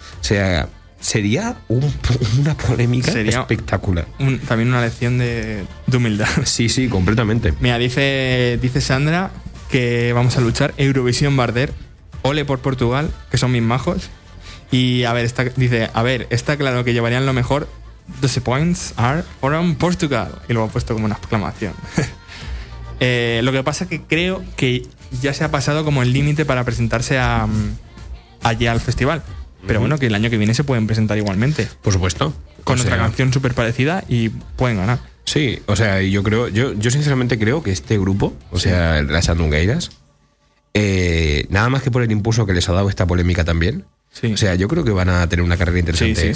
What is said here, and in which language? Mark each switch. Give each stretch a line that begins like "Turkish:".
Spanish: O sea, sería una polémica espectacular. También una lección de humildad. Sí, sí, completamente. Mira, dice Sandra que vamos a luchar Eurovisión Barder. Ole por Portugal, que son mis majos. Y a ver, está claro que llevarían lo mejor.
English: 12 points are from Portugal.
Spanish: Y lo ha puesto como una exclamación. Lo que pasa es que creo que ya se ha pasado como el límite para presentarse allí al festival. Pero bueno, que el año que viene se pueden presentar igualmente. Por supuesto. Con otra canción súper parecida y pueden ganar. Sí, o sea, yo creo, yo sinceramente creo que este grupo, sea, las chandungueiras, nada más que por el impulso que les ha dado esta polémica también, o sea, yo creo que van a tener una carrera interesante.